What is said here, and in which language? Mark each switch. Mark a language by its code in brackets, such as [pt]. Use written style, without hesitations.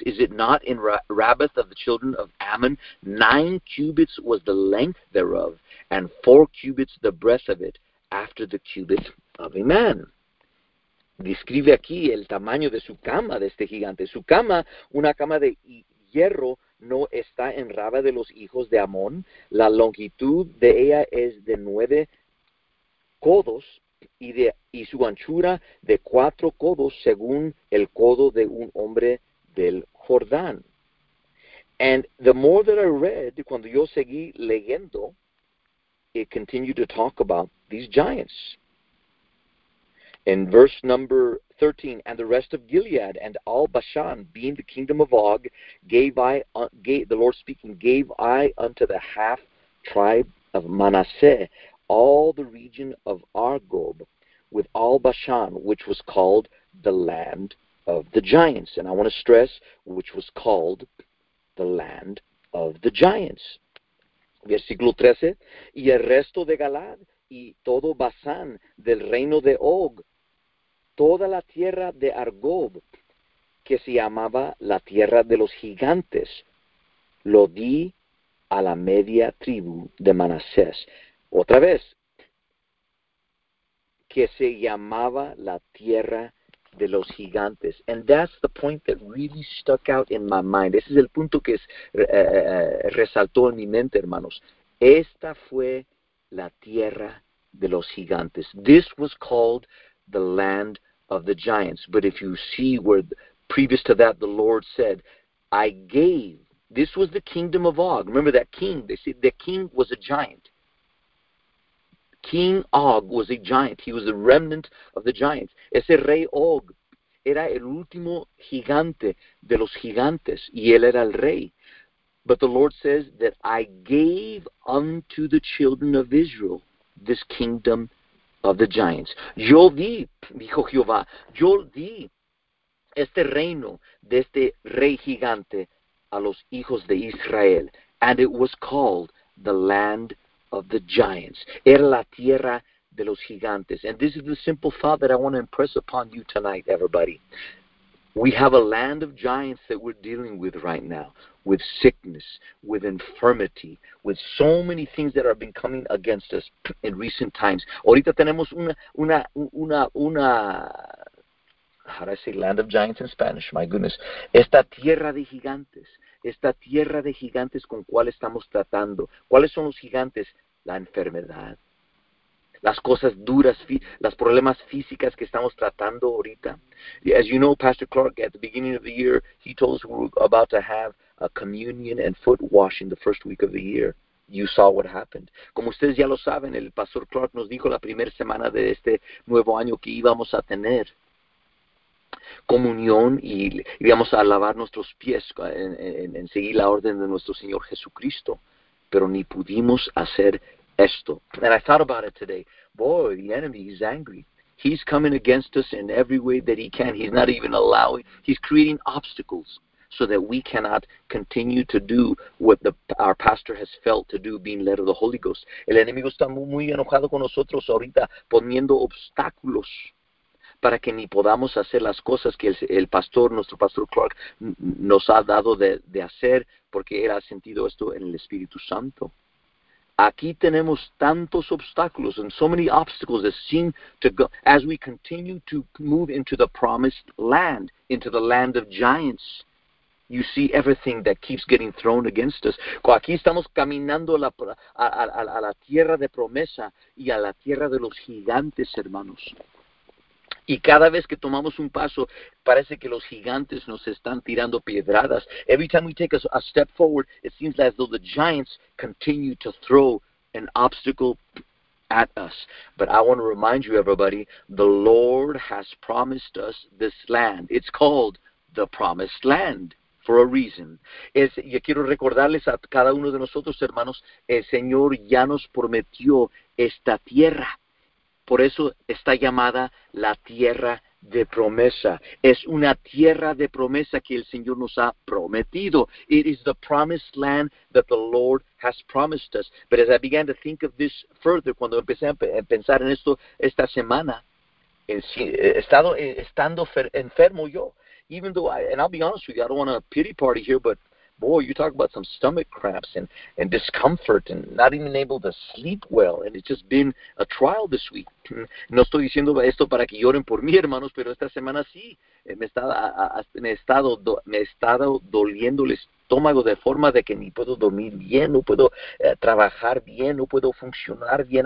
[en] Is it not in Rabbath of the children of Ammon? 9 cubits was the length thereof, and 4 cubits the breadth of it, after the cubit of a man. [es] Describe aquí el tamaño de su cama, de este gigante. Su cama, una cama de hierro, no está en Rabba de los hijos de Amón. La longitud de ella es de 9 codos y su anchura de 4 codos según el codo de un hombre del Jordán. [en] And the more that I read, [es] cuando yo seguí leyendo, [en] it continued to talk about these giants. In verse number 13, and the rest of Gilead and all Bashan, being the kingdom of Og, gave I unto the half tribe of Manasseh all the region of Argob with all Bashan, which was called the land of the giants. And I want to stress, which was called the land of the giants. [es] Versículo 13, y el resto de Galad y todo Basán del reino de Og, toda la tierra de Argob, que se llamaba la tierra de los gigantes, lo di a la media tribu de Manasés. Otra vez, que se llamaba la tierra de los gigantes. [en] And that's the point that really stuck out in my mind. [es] Ese es el punto que resaltó en mi mente, hermanos. Esta fue la tierra de los gigantes. [en] This was called the land of the giants. But if you see where previous to that the Lord said, I gave, this was the kingdom of Og. Remember that king, they said the king was a giant. King Og was a giant. He was a remnant of the giants. [es] Ese rey Og era el último gigante de los gigantes, y él era el rey. [en] But the Lord says that I gave unto the children of Israel this kingdom of the giants. [es] Yo di, dijo Jehová, yo di este reino de este rey gigante a los hijos de Israel. [en] And it was called the land of the giants. [es] Era la tierra de los gigantes. [en] And this is the simple thought that I want to impress upon you tonight, everybody. We have a land of giants that we're dealing with right now, with sickness, with infirmity, with so many things that have been coming against us in recent times. [es] Ahorita tenemos una [en] how do I say land of giants in Spanish? My goodness. [es] Esta tierra de gigantes. Esta tierra de gigantes con cuál estamos tratando. ¿Cuáles son los gigantes? La enfermedad. Las cosas duras, las problemas físicas que estamos tratando ahorita. [en] As you know, Pastor Clark, at the beginning of the year, he told us we were about to have a communion and foot washing the first week of the year. You saw what happened. [es] Como ustedes ya lo saben, el Pastor Clark nos dijo la primera semana de este nuevo año que íbamos a tener comunión y íbamos a lavar nuestros pies en seguir la orden de nuestro Señor Jesucristo. Pero ni pudimos hacer esto. [en] And I thought about it today. Boy, the enemy, he's angry. He's coming against us in every way that he can. He's not even allowing. He's creating obstacles so that we cannot continue to do what our pastor has felt to do, being led of the Holy Ghost. [es] El enemigo está muy enojado con nosotros ahorita, poniendo obstáculos para que ni podamos hacer las cosas que el pastor, nuestro pastor Clark, nos ha dado de hacer, porque él ha sentido esto en el Espíritu Santo. Aquí tenemos tantos obstáculos [en] and so many obstacles that seem to go as we continue to move into the promised land, into the land of giants. You see everything that keeps getting thrown against us. [es] Aquí estamos caminando a la tierra de promesa y a la tierra de los gigantes, hermanos. Y cada vez que tomamos un paso, parece que los gigantes nos están tirando piedradas. [en] Every time we take a step forward, it seems as though the giants continue to throw an obstacle at us. But I want to remind you, everybody, the Lord has promised us this land. It's called the Promised Land for a reason. [es] Yo quiero recordarles a cada uno de nosotros, hermanos, el Señor ya nos prometió esta tierra. Por eso está llamada la tierra de promesa. Es una tierra de promesa que el Señor nos ha prometido. [en] It is the promised land that the Lord has promised us. But as I began to think of this further, [es] cuando empecé a pensar en esto esta semana, [en] estando enfermo yo, even though and I'll be honest with you, I don't want a pity party here, but boy, you talk about some stomach cramps and discomfort and not even able to sleep well. And it's just been a trial this week. [es] No estoy diciendo esto para que lloren por mí, hermanos, pero esta semana sí. Me he estado doliendo el estómago de forma de que ni puedo dormir bien, no puedo trabajar bien, no puedo funcionar bien.